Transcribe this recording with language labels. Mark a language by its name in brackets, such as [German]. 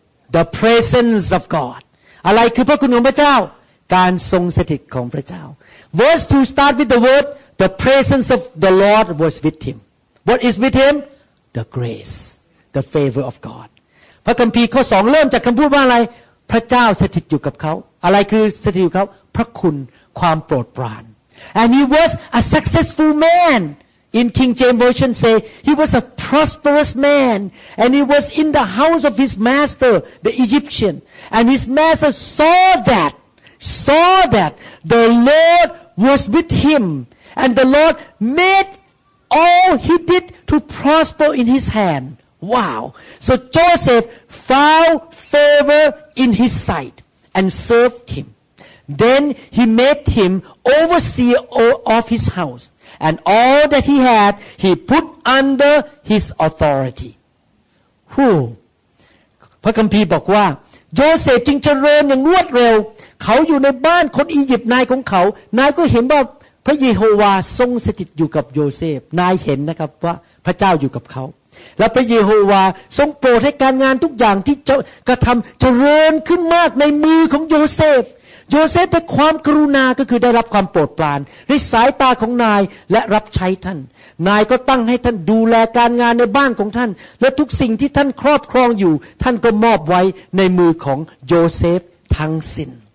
[English] The presence of God. [Thai] อะไรคือพระคุณของพระเจ้า การทรงสถิตของพระเจ้า [English] Verse 2 start with the word the presence of the Lord was with him. What is with him? The grace, the favor of God. [Thai] พระคัมภีร์ข้อ2เริ่มจากคำพูดว่าอะไรพระเจ้าสถิตอยู่กับเขาอะไรคือสถิตอยู่กับเขาพระคุณความโปรดปราน [English] And he was a successful man. In King James Version say, he was a prosperous man, and he was in the house of his master, the Egyptian. And his master saw that the Lord was with him, and the Lord made all he did to prosper in his hand. Wow! So Joseph found favor in his sight and served him. Then he made him overseer of his house. And all that he had, he put under his authority. Who? [Thai] พระคัมภีร์บอกว่าโยเซฟจึงเจริญอย่างรวดเร็วเขาอยู่ในบ้านคนอียิปต์นายของเขานายก็เห็นว่าพระเยโฮวาทรงสถิตอยู่กับโยเซฟนายเห็นนะครับว่าพระเจ้าอยู่กับเขา และพระเยโฮวาทรงโปรดให้การงานทุกอย่างที่จะกระทำเจริญขึ้นมากในมือของโยเซฟโยเซฟได้ความกรุณาก็คือได้รับความโปรดปรานในสายตาของนายและรับใช้ท่านนายก็ตั้งให้ท่านดูแลการงานในบ้านของท่านและทุกสิ่งที่ท่านครอบครองอยู่ท่านก็มอบไว้ในมือของโยเซฟทั้งสิ้น